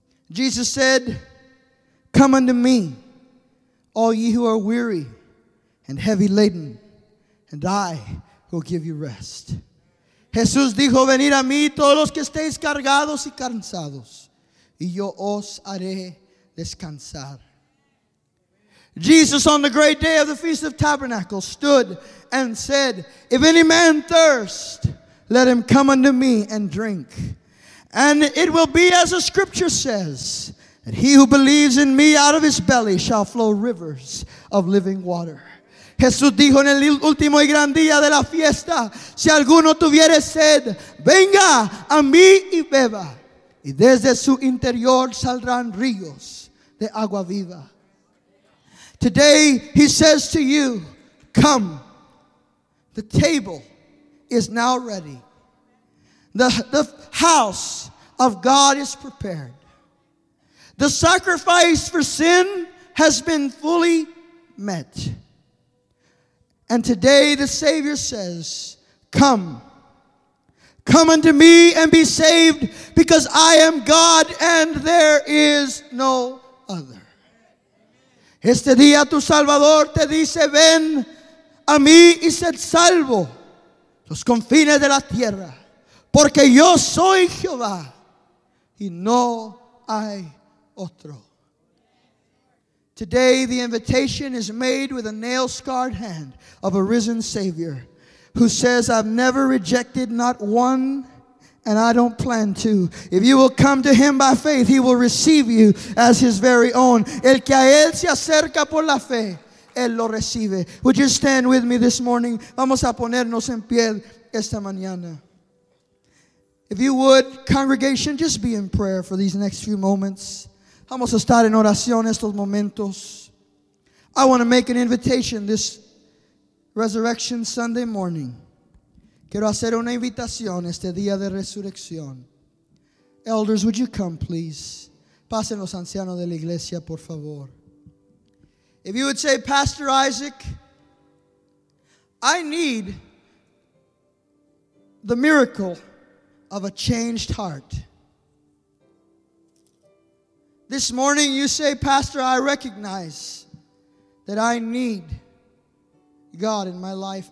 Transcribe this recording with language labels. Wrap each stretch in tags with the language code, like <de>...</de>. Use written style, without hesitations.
<en>Jesus said, come unto me, all ye who are weary and heavy laden, and I will give you rest.</en> <es>Jesús dijo, venid a mí todos los que estéis cargados y cansados, y yo os haré descansar.</es> <en>Jesus, on the great day of the Feast of Tabernacles, stood and said, if any man thirst, let him come unto me and drink. And it will be as the scripture says, that he who believes in me out of his belly shall flow rivers of living water.</en> <es>Jesús dijo en el último y gran día de la fiesta, si alguno tuviere sed, venga a mí y beba. Y desde su interior saldrán ríos de agua viva.</es> <en>Today he says to you, come. The table is now ready. The house of God is prepared. The sacrifice for sin has been fully met. And today the Savior says, come. Come unto me and be saved, because I am God and there is no other.</en> <es>Este día tu Salvador te dice, ven a mí y sed salvo los confines de la tierra. Porque yo soy Jehová y no hay otro.</es> <en>Today the invitation is made with a nail-scarred hand of a risen Savior who says, I've never rejected not one, and I don't plan to. If you will come to him by faith, he will receive you as his very own.</en> <es>El que a él se acerca por la fe, él lo recibe.</es> <en>Would you stand with me this morning?</en> <es>Vamos a ponernos en pie esta mañana.</es> <en>If you would, congregation, just be in prayer for these next few moments.</en> <es>Vamos a estar en oración estos momentos.</es> <en>I want to make an invitation this Resurrection Sunday morning.</en> <es>Quiero hacer una invitación este día de resurrección.</es> <en>Elders, would you come, please?</en> <es>Pasen los ancianos de la iglesia, por favor.</es> <en>If you would say, Pastor Isaac, I need the miracle of a changed heart. This morning you say, Pastor, I recognize that I need God in my life.</en>